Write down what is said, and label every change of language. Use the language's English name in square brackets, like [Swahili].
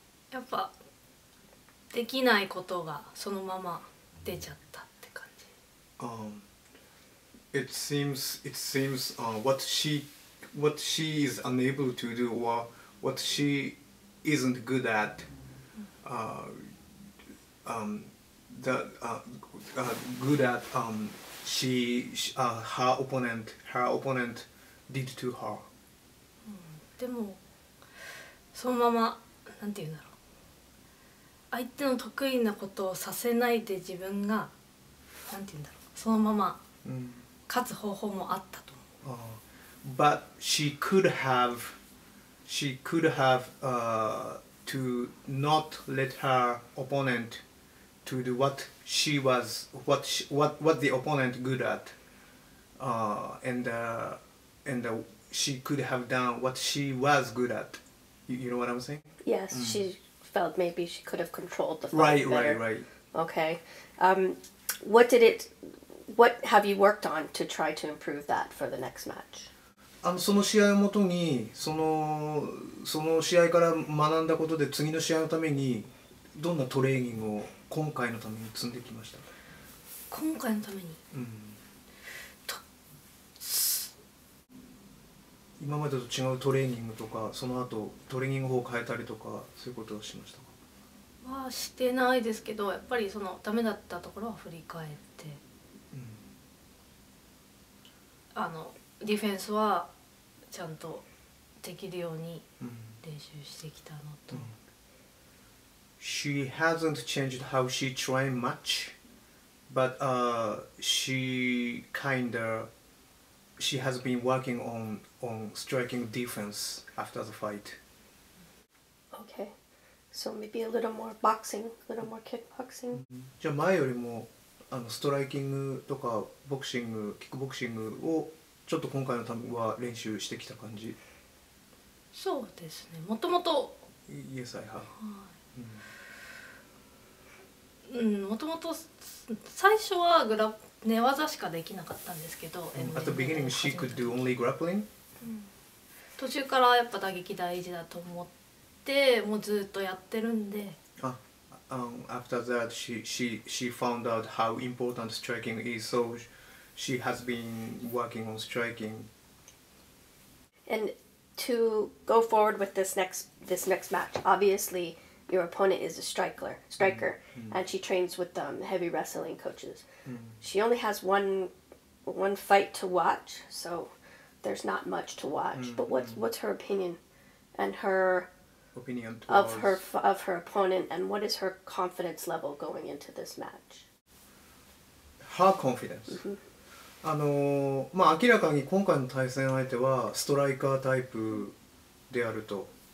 [Japanese] やっぱできないことがそのまま出ちゃったって感じ。 [English] It seems what she is unable to do or what she isn't good at, her opponent did to her. [Japanese] でもそのままなんていうんだろう、相手の得意なことをさせないで自分がなんていうんだろう、そのまま勝つ方法もあったと思う。 [English] But she could have to not let her opponent to do what the opponent good at, and she could have done what she was good at. You know what I'm saying? Yes, she felt maybe she could have controlled the fight right, better. Right. Okay. What did it? What have you worked on to try to improve that for the next match? [Japanese] あのその試合をもとにその試合から学んだことで次の試合のためにどんなトレーニングを今回のために積んできました。今回のために、うん、今までと違うトレーニングとかその後トレーニング法を変えたりとかそういうことをしましたか。はしてないですけど、やっぱりそのダメだったところは振り返って、うん、あのディフェンスはちゃんとできるように練習してきたのと、 [English] うん、She hasn't changed how she trained much, but she has been working on striking defense after the fight. Okay, so maybe a little more boxing, a little more kickboxing. [Japanese] じゃあ前よりもあのストライキングとかボクシング、キックボクシングをちょっと今回のためは練習してきた感じ。そうですね、もともと [English] Yes, I have. [Japanese] もともと最初は寝技しかできなかったんですけど、 [English] At the beginning, she could do only grappling? [Japanese] 途中からやっぱ打撃大事だと思ってもうずっとやってるんで、 [English] After that, she found out how important striking is, soShe has been working on striking. And to go forward with this next match, obviously your opponent is a striker, mm-hmm. and she trains with heavy wrestling coaches. Mm-hmm. She only has one fight to watch, so there's not much to watch. Mm-hmm. But what's her opinion, and her opinion of her opponent, and what is her confidence level going into this match? Her confidence. Mm-hmm. [Japanese] まあ、明らかに今回の対戦相手はストライカータイプであると。